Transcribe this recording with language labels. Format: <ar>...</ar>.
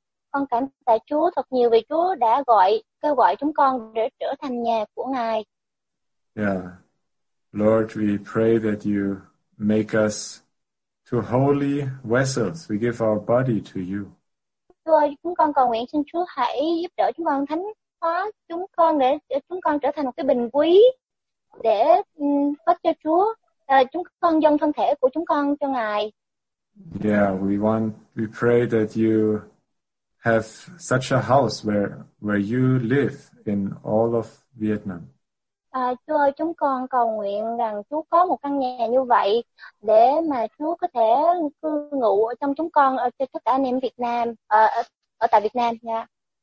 <vi>Con cảm tạ Chúa thật nhiều vì Chúa đã kêu gọi chúng con để trở thành nhà của Ngài.</vi> <en>Yeah. Lord, we pray that you make us to holy vessels. We give our body to you.</en> <vi>Chúa ơi, chúng con cầu nguyện xin Chúa hãy giúp đỡ chúng con thánh hóa chúng con để chúng con trở thành một cái bình quý để phát cho Chúa. Chúng con dâng thân thể của chúng con cho Ngài.</vi> <en>Yeah, we pray that you have such a house where you live in all of Vietnam.</en> <vi>Chúa ơi, chúng con cầu nguyện rằng Chúa có một căn nhà như vậy để mà Chúa có thể cư ngụ ở trong chúng con ở tất cả anh em Việt Nam ở tại Việt Nam nha.</vi>